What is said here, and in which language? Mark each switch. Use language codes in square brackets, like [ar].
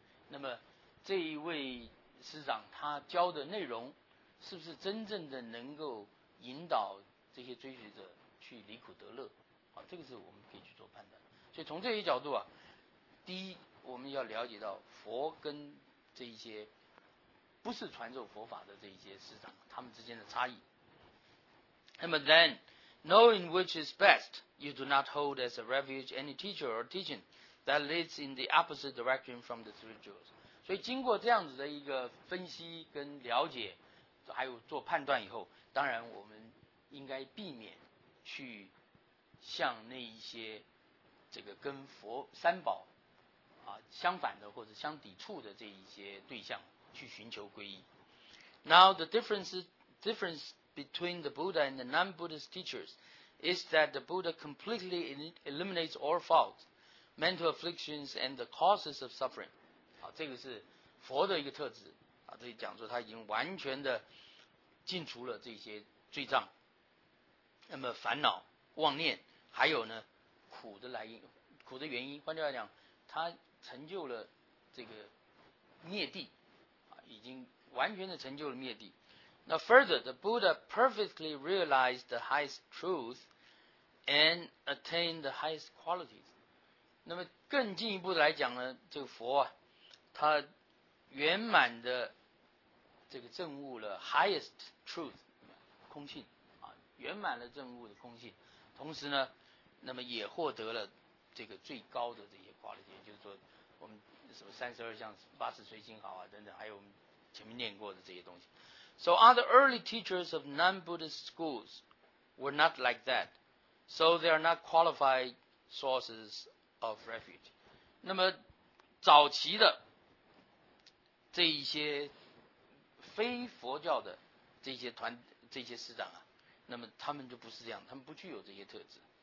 [zh] 那么这一位师长他教的内容是不是真正的能够引导这些追随者去离苦得乐啊，这个是我们可以去做判断。所以从这些角度啊，第一我们要了解到佛跟这一些不是传授佛法的这一些师长他们之间的差异。 [en] 那么 then knowing which is best, you do not hold as a refuge any teacher or teaching that leads in the opposite direction from the three jewels. [zh] 所以经过这样子的一个分析跟了解还有做判断以后，当然我们应该避免去向那一些这个跟佛三宝啊相反的或者相抵触的这一些对象去寻求皈依。 [en] Now the difference between the Buddha and the non-Buddhist teachers is that the Buddha completely eliminates all faults, mental afflictions and the causes of suffering. [zh] 好，这个是佛的一个特质，啊，这里讲说他已经完全的净除了这些罪障，那么烦恼妄念，还有呢苦的来因，苦的原因，换句话讲，他成就了这个灭谛，啊，已经完全的成就了灭谛。 [en] Now further, the Buddha perfectly realized the highest truth and attained the highest qualities. [zh] 那么更进一步的来讲呢，这个佛啊，他圆满的这个证悟了 highest truth 空性啊，圆满了证悟的空性，同时呢，那么也获得了这个最高的这些 quality， 就是说我们什么三十二相、八十随心好啊等等，还有我们前面念过的这些东西。 [en] So other early teachers of non-Buddhist schools were not like that, so they are not qualified sources of refuge. [zh] 那么早期的这一些非佛教的这些团、这些师长啊，那么他们就不是这样，他们不具有这些特质。